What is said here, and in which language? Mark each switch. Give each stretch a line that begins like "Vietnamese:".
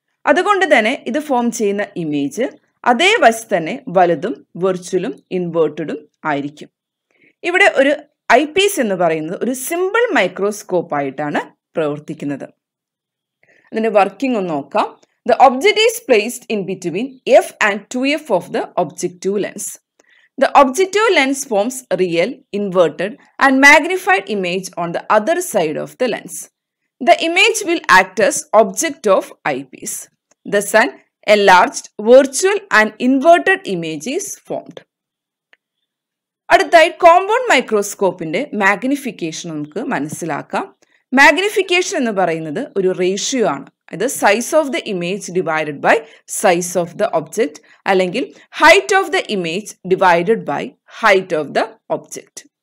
Malayalam: അതുകൊണ്ട് തന്നെ ഇത് ഫോം ചെയ്യുന്ന ഇമേജ് അതേ വശം തന്നെ വലുതും വെർച്വലും ഇൻവേർട്ടഡും ആയിരിക്കും. ഇവിടെ ഒരു ഐ പീസ് എന്ന് പറയുന്നത് ഒരു സിമ്പിൾ മൈക്രോസ്കോപ്പ് ആയിട്ടാണ് പ്രവർത്തിക്കുന്നത്. അതിന്റെ വർക്കിംഗ് ഒന്ന് നോക്കാം.
English: The object is placed in between F and two F of the objective lens. The objective lens forms real, inverted and magnified image on the other side of the lens. The image will act as object of eyepiece. Thus an enlarged, virtual and inverted image is formed.
Malayalam: അടുത്തതായി compound മൈക്രോസ്കോപ്പിന്റെ magnification നമുക്ക് മനസ്സിലാക്കാം. Magnification എന്ന് പറയുന്നത് ഒരു ratio ആണ്. ഇത്
English: size of the image divided by size of the object,
Malayalam: അല്ലെങ്കിൽ
English: Height of the image divided by height of the object.